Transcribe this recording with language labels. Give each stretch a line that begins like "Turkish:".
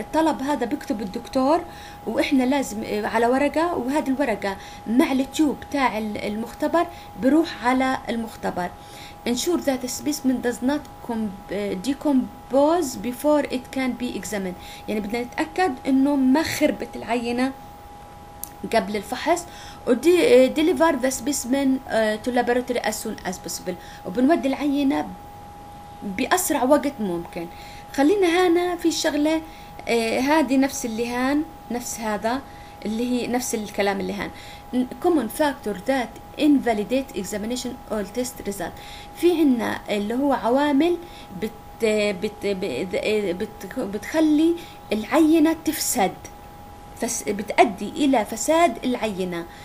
Arabic: الطلب هذا بكتب الدكتور وإحنا لازم على ورقة، وهذه الورقة مع التيوب تاع المختبر بروح على المختبر.
English: ensure that the specimen does not decompose before it can be examined،
Arabic: يعني بدنا نتأكد إنه ما خربت العينة قبل الفحص.
English: deliver the specimen to laboratory as soon as possible،
Arabic: وبنودي العينة بأسرع وقت ممكن. خلينا هنا في شغلة، هذه نفس اللي هان نفس هذا اللي هي نفس الكلام اللي هان
English: common factor that invalidate examination or test result،
Arabic: في عنا اللي هو عوامل بت بت بت بت بتخلي العينة تفسد، بتأدي إلى فساد العينة،